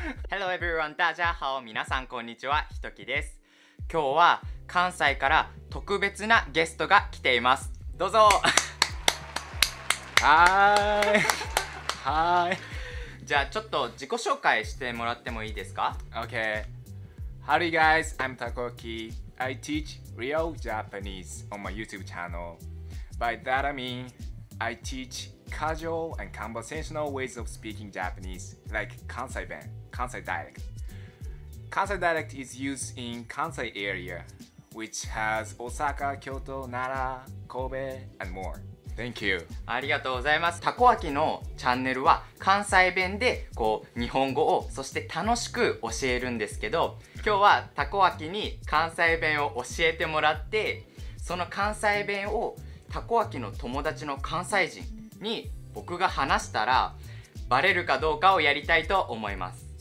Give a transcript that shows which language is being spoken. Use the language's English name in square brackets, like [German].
[English] Hello everyone, [Chinese] 大家好、 [Japanese] 皆さんこんにちは、ひときです。今日は関西から特別なゲストが来ています。どうぞ。はーい。はーい。じゃあちょっと自己紹介してもらってもいいですか。 [English] OK。 How are you guys? I'm Takoki. I teach real Japanese on my YouTube channelBy that I mean, I teach casual and conversational ways of speaking Japanese, like Kansai Ben, Kansai dialect. Kansai dialect is used in Kansai area, which has Osaka, Kyoto, Nara, Kobe, and more. Thank you. [Japanese] ありがとうございます。たこあきのチャンネルは関西弁でこう日本語をそして楽しく教えるんですけど、今日はたこあきに関西弁を教えてもらって、その関西弁をたこあきの友達の関西人に僕が話したらバレるかどうかをやりたいと思います。